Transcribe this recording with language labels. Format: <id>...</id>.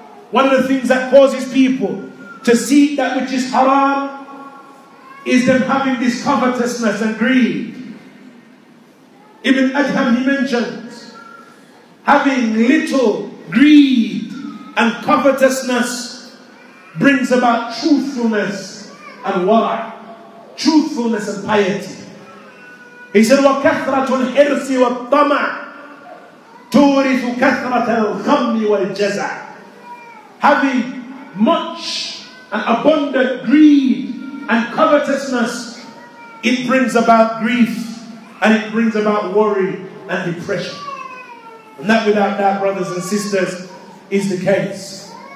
<en>One of the things that causes people to seek that which is haram is them having this covetousness and greed. Ibn Adham, he mentions having little greed and covetousness brings about truthfulness and wara', truthfulness and piety. He said,</en> <ar>وَكَثْرَةُ الْحِرْسِ وَالطَّمَعِ تُورِثُ كَثْرَةَ الْخَمِّ وَالْجَزَعِ.</ar> <en>Having much and abundant greed and covetousness, it brings about grief and it brings about worry and depression. And that, without doubt, brothers and sisters, is the case.</en>